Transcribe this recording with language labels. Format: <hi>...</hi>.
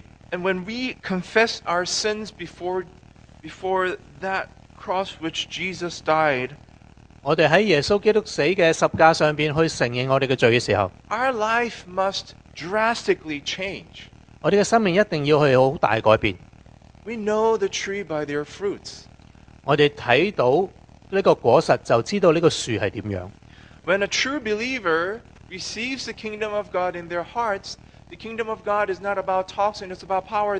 <en>and when we confess our sins before that cross which Jesus died,</en> <zh>我们在耶稣基督死的十架上面去承认我们的罪的时候,</zh> <en>our life must drastically change.</en> <zh>我们的生命一定要去很大改变。</zh> <en>We know the tree by their fruits.</en> <zh>我们看到这个果实就知道这个树是怎样。</zh> <en>When a true believer receives the kingdom of God in their hearts, the kingdom of God is not about talks and it's about power.</en>